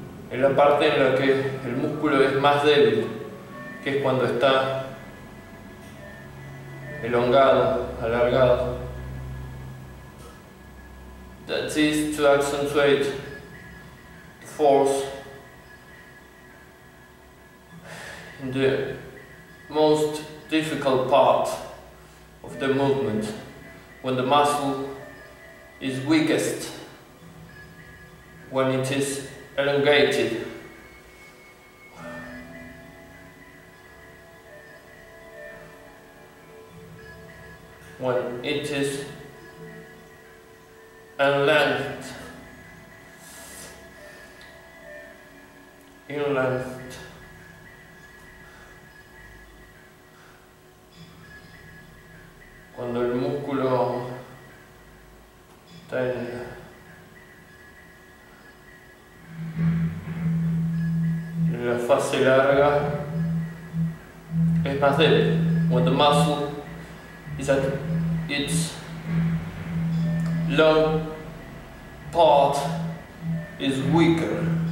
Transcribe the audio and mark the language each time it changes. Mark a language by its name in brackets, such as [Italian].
[Spanish] En la parte en la que el músculo es más débil, que es cuando está elongado, alargado. [English] That is to accentuate the force in the most difficult part of the movement, when the muscle is weakest, when it is elongated. when it is unlocked, unlocked. [Spanish] Cuando el músculo está en la fase larga, es más débil. [English] When the muscle is at its long part, is weaker.